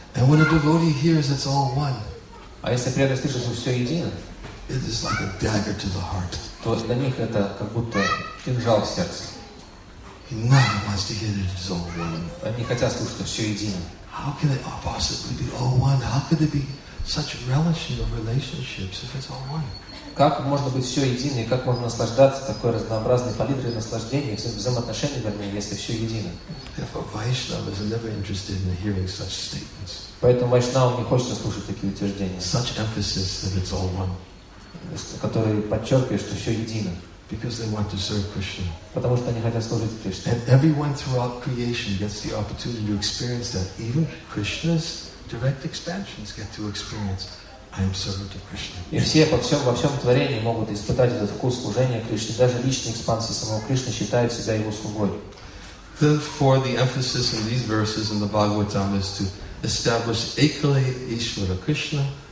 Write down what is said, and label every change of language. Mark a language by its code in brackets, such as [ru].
[en] And when a devotee hears it's all one. [ru] А если преданный слышит, что все едино. [en] It is like a dagger to the heart. [ru] То для них это как будто кинжал в сердце. [en] He never wants to hear that it's all one. [ru] Они хотят слушать, что все едино. [en] How can it possibly be all one? How could it be such relishing of relationships if it's all one? [ru] Как можно быть все едино и как можно наслаждаться такой разнообразной палитрой наслаждений и взаимоотношений, вернее, если все едино? [en] Therefore, Vaishnava is never interested in hearing such statements. [ru] Поэтому Вайшнава не хочет слушать такие утверждения. [en] Such emphasis that it's all one. [ru] Которые подчеркивают, что все едино. [en] Because they want to serve Krishna. [ru] Потому что они хотят служить Кришне. [en] And everyone throughout creation gets the opportunity to experience that. Even Krishna's direct expansions get to experience I am servant of Krishna. [ru] И все во всем творении могут испытать этот вкус служения Кришне. Даже личные экспансии самого Кришны считают себя его слугой. [en] Therefore, the emphasis in these verses in the Bhagavatam is to establish Ekale Ishvara Krishna.